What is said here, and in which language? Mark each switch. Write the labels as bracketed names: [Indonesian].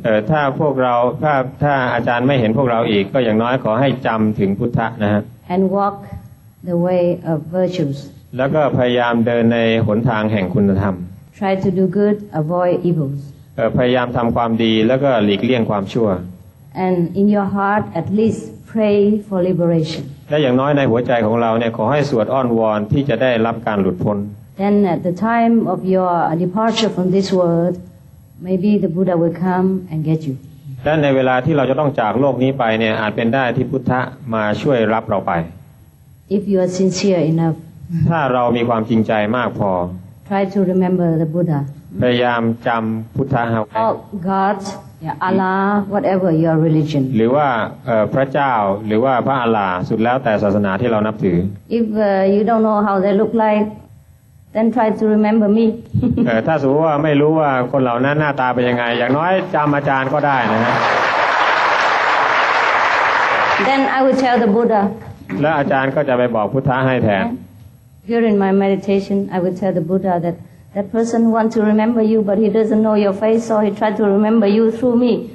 [Thai] ถ้าพวกเราถ้าอาจารย์ไม่เห็นพวกเราอีกก็อย่างน้อยขอให้จำถึงพุทธะนะฮะ [English] And walk the way of virtues. [Thai] แล้วก็พยายามเดินในหนทางแห่งคุณธรรม [English] Try to do good, avoid evils. [Thai] พยายามทำความดีแล้วก็หลีกเลี่ยงความชั่ว [English] And in your heart, at least pray for liberation. [Thai] และอย่างน้อยในหัวใจของเราเนี่ยขอให้สวดอ้อนวอนที่จะได้รับการหลุดพ้น [English] Then at the time of your departure from this world, maybe the Buddha will come and get you. [Thai] Then, ในเวลาที่เราจะต้องจากโลกนี้ไปเนี่ยอาจเป็นได้ที่พุทธะมาช่วยรับเราไป [English] If you are sincere enough. [Thai] ถ้าเรามีความจริงใจมากพอ [English] Try to remember the Buddha. [Thai] พยายามจำพุทธะ [English] เอา God, Allah, whatever your religion. [Thai] หรือว่าพระเจ้าหรือว่าพระอัลลาห์สุดแล้วแต่ศาสนาที่เรานับถือ [English] If you don't know how they look like. Then try to remember me. [Thai] ถ้าสมมติว่าไม่รู้ว่าคนเหล่านั้นหน้าตาเป็นยังไงอย่างน้อยจำอาจารย์ก็ได้นะฮะ [English] Then I will tell the Buddha. [Thai] แล้วอาจารย์ก็จะไปบอกพุทธะให้แทน [English] During my meditation, I will tell the Buddha that that person want to remember you, but he doesn't know your face, so he try to remember you through me.